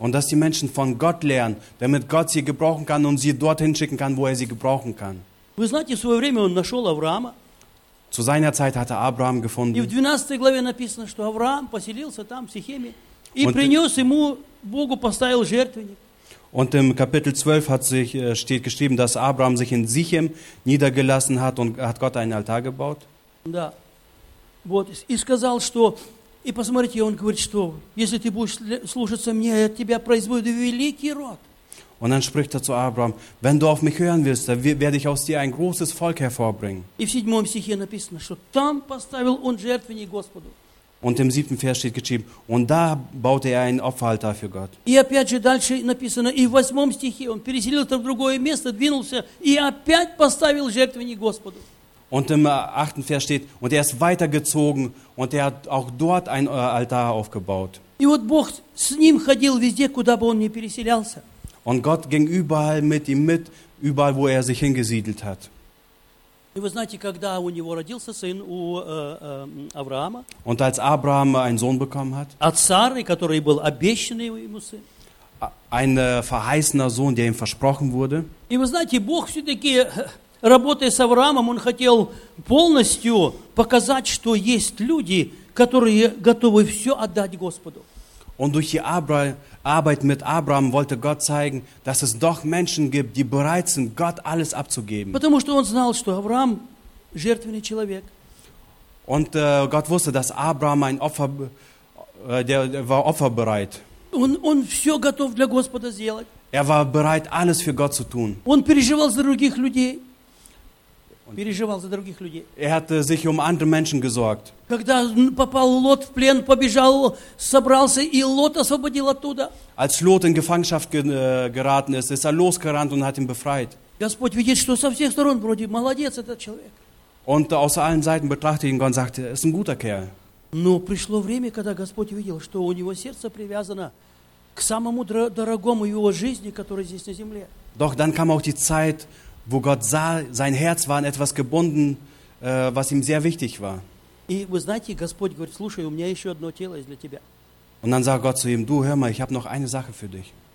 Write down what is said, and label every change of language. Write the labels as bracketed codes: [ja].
[de] Und dass die Menschen von Gott lernen, damit Gott sie gebrauchen kann und sie dorthin schicken kann, wo er sie gebrauchen kann. [ru] Вы знаете, в свое время Он нашел Авраама. [de] Zu seiner Zeit hatte Abraham gefunden. [ru] И в 12 главе написано, что Авраам поселился там, в Сихеме, и принес ему, Богу поставил жертвенник. [de] Und im Kapitel 12 steht geschrieben, dass Abraham sich in Sichem niedergelassen hat und hat Gott einen Altar gebaut. [ru] Да. Вот, и сказал, что, и посмотрите, он говорит, что, если ты будешь слушаться мне, я тебя произведу великий род. [de] Und dann spricht er zu Abraham, wenn du auf mich hören willst, dann werde ich aus dir ein großes Volk hervorbringen. [ru] И в 7 стихе написано, что там поставил он жертвенник Господу. [de] Und im 7. Vers steht geschrieben, und da baute er einen Opferaltar für Gott. [ru] И опять же дальше написано, и в 8 стихе он переселил это в другое место, двинулся и опять поставил жертвенник Господу. [de] Und im 8. Vers steht, und er ist weitergezogen und er hat auch dort ein Altar aufgebaut. [ru] И вот Бог с ним ходил везде, куда бы он ни переселялся. [de] Und Gott ging überall mit ihm mit, überall, wo er sich hingesiedelt hat. [ru] И вы знаете, когда у него родился сын у Авраама? [de] Und als Abraham einen Sohn bekommen hat? [ru] От Сары, который был обещанный ему сын. [de] Ein verheißener Sohn, der ihm versprochen wurde. [ru] И вы знаете, Бог все-таки, работая с Авраамом, он хотел полностью показать, что есть люди, которые готовы все отдать Господу. [de] Und durch die Arbeit mit Abraham wollte Gott zeigen, dass es doch Menschen gibt, die bereit sind, Gott alles abzugeben. [ru] Потому что он знал, что Авраам жертвенный человек. [de] Und Gott wusste, dass Abraham ein Opfer, der war opferbereit. [ru] Он все готов для Господа сделать. [de] Er war bereit, alles für Gott zu tun. [ru] Он переживал за других людей. Переживал за других людей. [de] Er hat sich andere Menschen gesorgt. [ru] Когда попал Лот в плен, побежал, собрался и Лот освободил оттуда. [de] Als Lot in Gefangenschaft geraten ist, ist losgerannt und hat ihn befreit. [ru] Господь видит, что со всех сторон вроде молодец этот человек. [de] Und aus allen Seiten betrachtet ihn Gott, sagte, ist ein guter Kerl. [ru] Но пришло время, когда Господь видел, что у него сердце привязано к самому дорогому его жизни, который здесь на земле. [de] Doch dann kam auch die Zeit, wo Gott sah, sein Herz war an etwas gebunden, was ihm sehr wichtig war. Und dann sagt Gott zu ihm, du hör mal, ich habe noch eine Sache für dich.